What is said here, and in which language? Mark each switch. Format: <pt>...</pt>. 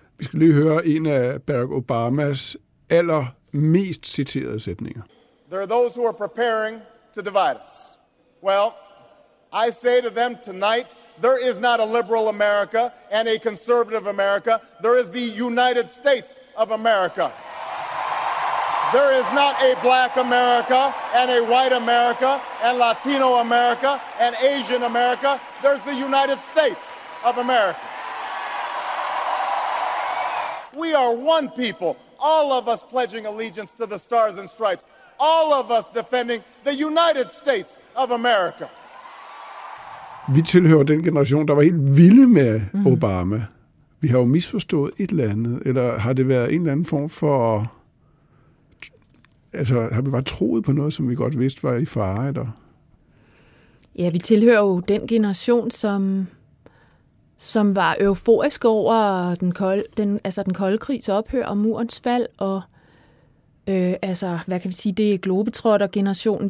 <da>Vi skal lige høre en af Barack Obamas allermest citerede sætninger.</da> <en>There are those who are preparing to divide us. Well, I say to them tonight, there is not a liberal America and a conservative America. There is the United States of America. There is not a black America and a white America and Latino America and Asian America. There's the United States of America. We are one people, all of us pledging allegiance to the stars and stripes, all of us defending the United States of America.</en> <da>Vi tilhører den generation, der var helt vilde med Obama. Vi har jo misforstået et eller andet, eller har det været en eller anden form for... Altså, har vi bare troet på noget, som vi godt vidste var i fare? Eller? Ja, vi tilhører jo den generation, som var euforisk over den kolde krigs ophør og murens fald, og altså, hvad kan vi sige, det er globetrotter-generationen.</da>